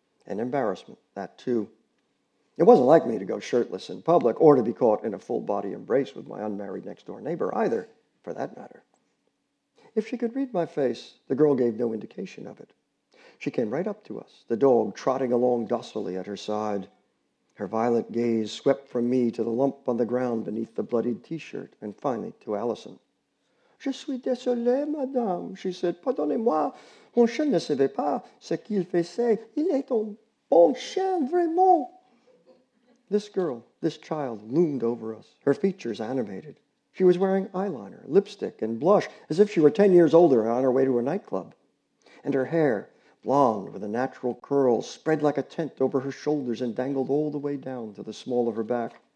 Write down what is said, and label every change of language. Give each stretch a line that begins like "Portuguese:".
English: And embarrassment, that too. It wasn't like me to go shirtless in public or to be caught in a full-body embrace with my unmarried next-door neighbor either, for that matter. If she could read my face, the girl gave no indication of it. She came right up to us, the dog trotting along docilely at her side. Her violet gaze swept from me to the lump on the ground beneath the bloodied T-shirt, and finally to Allison.
French: Je suis désolée, madame,
English: she said.
French: Pardonnez-moi, mon chien ne savait pas ce qu'il faisait. Il est un bon chien, vraiment.
English: This girl, this child, loomed over us, her features animated. She was wearing eyeliner, lipstick, and blush, as if she were 10 years older and on her way to a nightclub. And her hair, blonde with a natural curl, spread like a tent over her shoulders and dangled all the way down to the small of her back.